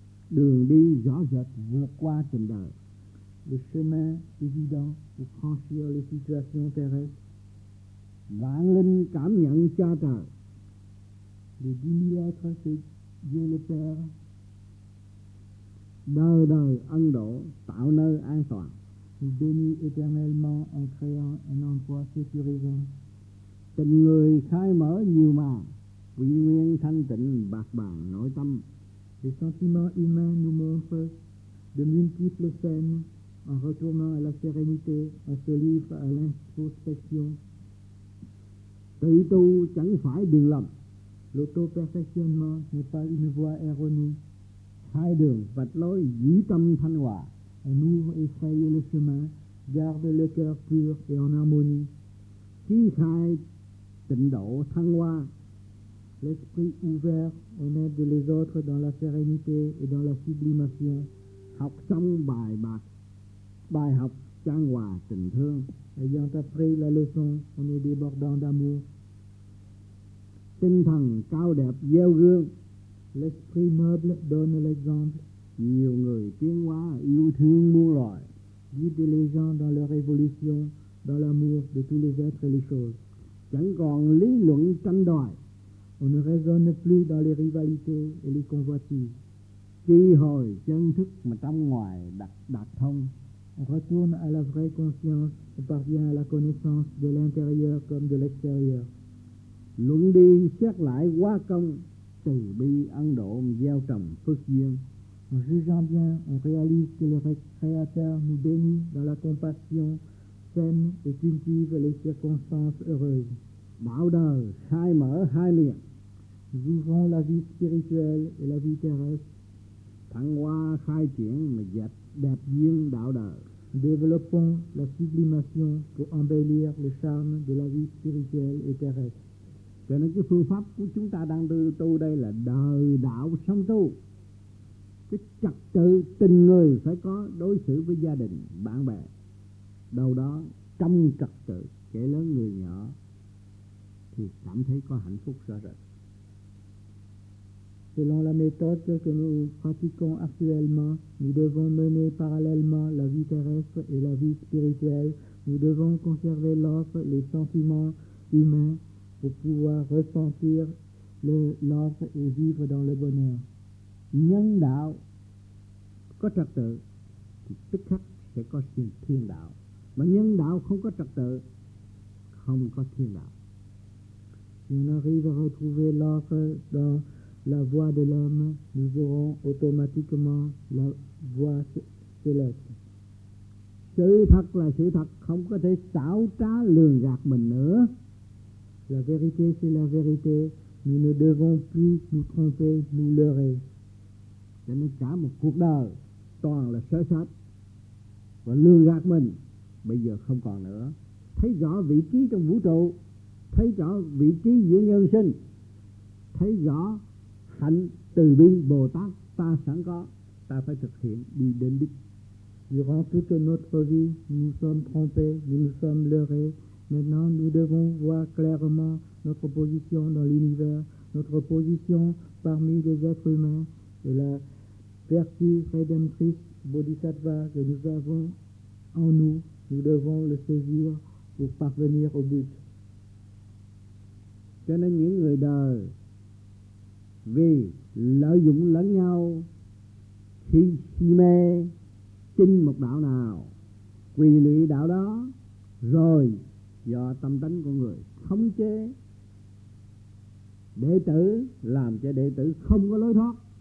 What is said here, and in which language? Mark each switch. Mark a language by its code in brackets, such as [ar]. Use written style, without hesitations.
[vi] đường đi rõ rệt vượt qua trần đời, [fr] le chemin évident pour franchir les situations terrestres. [vi] Vạn linh cảm nhận cha trời, [fr] les 10,000 êtres que Dieu le Père, [vi] đời đời ân độ tạo nơi an toàn, [fr] il bénit éternellement en créant un endroit sécurisant. [vi] Tình người khai mở nhiều màng, quy nguyên thanh tịnh bạc bàng nội tâm. [fr] Les sentiments humains nous montrent de multiples scènes en retournant à la sérénité, à se livre à l'introspection. [vi] Tự tu chẳng phải đường lầm. [fr] L'auto-perfectionnement n'est pas une voie erronée. [vi] Khai đường vạch lối giữ tâm thanh hòa. [fr] On ouvre et fraye le chemin, garde le cœur pur et en harmonie. [vi] Khi khai tịnh độ thăng hoa, [fr] l'esprit ouvert en aide les autres dans la sérénité et dans la sublimation. [vi] Học xong bài bạc, bài học trang hòa tình thương. [fr] Ayant appris la leçon, on est débordant d'amour. [vi] Tinh thần cao đẹp gieo gương, [fr] l'esprit noble donne l'exemple. [vi] Nhiều người tiến hóa yêu thương muôn loài, [fr] guide les gens dans leur évolution, dans l'amour de tous les êtres et les choses. [vi] Chẳng còn lý luận tranh đoạt, [fr] on ne raisonne plus dans les rivalités et les convoitises. [vi] Chi hồi chân thức mà trong ngoài đạt thông, [fr] on retourne à la vraie conscience et parvient à la connaissance de l'intérieur comme de l'extérieur. [vi] Luận đi xét lại quá công, từ bi ân độ gieo trồng phước duyên. [fr] En jugeant bien, on réalise que le Créateur nous bénit dans la compassion, sème et cultive les circonstances heureuses. [vi] Bảo đời khai mở hai miệng, [fr] nous ouvrons la vie spirituelle et la vie terrestre. [vi] Thăng hoa khai triển mà dệt đẹp duyên đạo đời. [fr] Développons la sublimation pour embellir le charme de la vie spirituelle et terrestre. [vi] Cho nên cái phương pháp của chúng ta đang tu đây là đời đạo song tu. Cái trật tự tình người phải có, đối xử với gia đình, bạn bè. Đâu đó trong trật tự, kẻ lớn người nhỏ thì cảm thấy có hạnh phúc rõ rệt. [fr] Selon la méthode que nous pratiquons actuellement, nous devons mener parallèlement la vie terrestre et la vie spirituelle. Nous devons conserver l'offre, les sentiments humains pour pouvoir ressentir l'offre et vivre dans le bonheur. [vi] Nhân đạo có trật tự thì tức khắc sẽ có thiên đạo. Mà nhân đạo không có trật tự, không có thiên đạo. [fr] Si on arrive à retrouver l'offre dans la voie de l'homme, nous aurons automatiquement la voie céleste. [vi] Sự thật là sự thật, không có thể xảo trá lường gạt mình nữa. [fr] La vérité c'est la vérité, nous ne devons plus nous tromper, nous leurrer. [vi] Cho nên cả một cuộc đời toàn là sơ sát và lừa gạt mình, bây giờ không còn nữa. Thấy rõ vị trí trong vũ trụ, thấy rõ vị trí giữa nhân sinh, thấy rõ hạnh từ bi Bồ Tát ta sẵn có, ta phải thực hiện đi đến đích. [fr] Durant toute notre vie, nous sommes trompés, nous sommes leurrés. Maintenant, nous devons voir clairement notre position dans l'univers, notre position parmi les êtres humains et la vertu rédemptrice bodhisattva que nous avons en nous. Nous devons le saisir pour parvenir au but. [vi] Cho nên những người đời vì lợi dụng lẫn nhau, khi si mê tin một đạo nào, quy lụy đạo đó, rồi do tâm tánh con người khống chế đệ tử, làm cho đệ tử không có lối thoát.